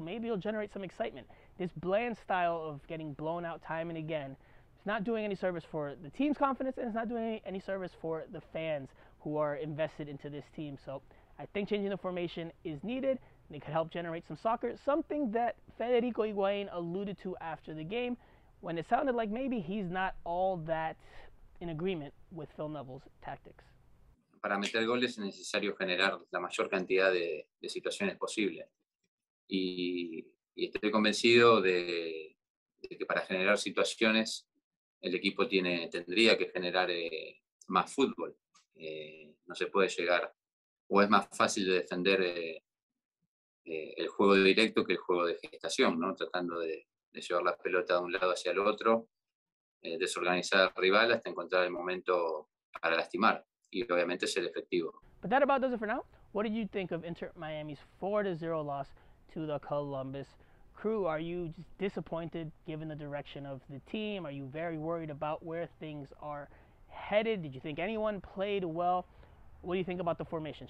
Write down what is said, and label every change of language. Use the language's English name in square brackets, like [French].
[English] Maybe you'll generate some excitement. This bland style of getting blown out time and again, it's not doing any service for the team's confidence, and it's not doing any service for the fans who are invested into this team. So I think changing the formation is needed, and it could help generate some soccer, something that Federico Higuain alluded to after the game when it sounded like maybe he's not all that in agreement with Phil Neville's tactics. [Spanish] Para meter goles es necesario generar la mayor cantidad de situaciones posible. Y estoy convencido de que para generar situaciones el equipo tendría que generar más fútbol. No se puede llegar, o es más fácil de defender el juego directo que el juego de gestación, ¿no? Tratando de llevar la pelota de un lado hacia el otro, desorganizar al rival hasta encontrar el momento para lastimar. [English] But that about does it for now. What did you think of Inter Miami's 4-0 loss to the Columbus Crew? crew, are you just disappointed given the direction of the team? Are you very worried about where things are headed? Did you think anyone played well? What do you think about the formation?